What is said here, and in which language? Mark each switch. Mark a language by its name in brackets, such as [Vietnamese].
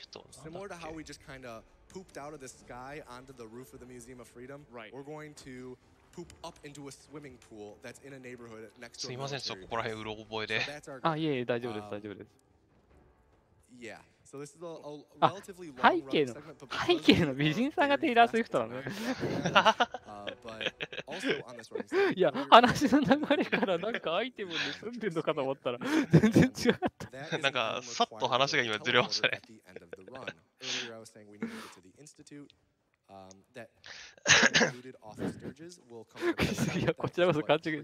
[English] similar to how we just kind of pooped out of the sky onto the roof of the Museum of Freedom, right? We're going to poop up into a swimming pool that's in a neighborhood next to. [Japanese] すいません、ちょっとここら辺うろ覚えで。あ、いえ、大丈夫です、大丈夫です。 [English] Yeah, so this is a relatively long segment. [Japanese] 背景の美人さんがテイラー・スウィフトなの。いや、話の流れからなんかアイテムを盗んでんのかと思ったら全然違った。なんかさっと話が今ずれましたね。いや、こちらこそ勘違い。